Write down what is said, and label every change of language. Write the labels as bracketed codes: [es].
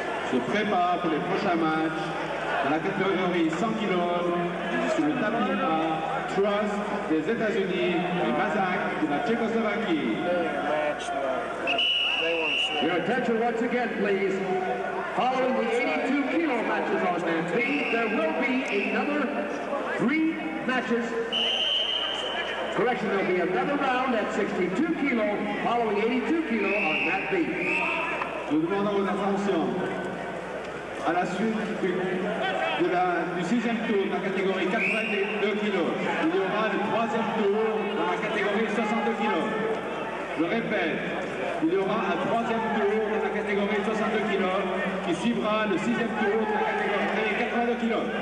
[fr] Se prépare pour les prochains matchs dans la catégorie 100 kg sur le tapis A, Trust des États-Unis et Mazak de la Tchécoslovaquie. [en] Your attention once again, please. Following the 82 kilo matches on their feet, there will be another three matches. Correction, there will be another round at 62 kilo, following 82 kilo on that beat. [fr] Nous demandons votre attention. À la suite du sixième tour de la catégorie 82 kg, il y aura le troisième tour dans la catégorie 62 kg. Je répète, il y aura un troisième tour dans la catégorie 62 kg qui suivra le sixième tour de la catégorie 82 kg.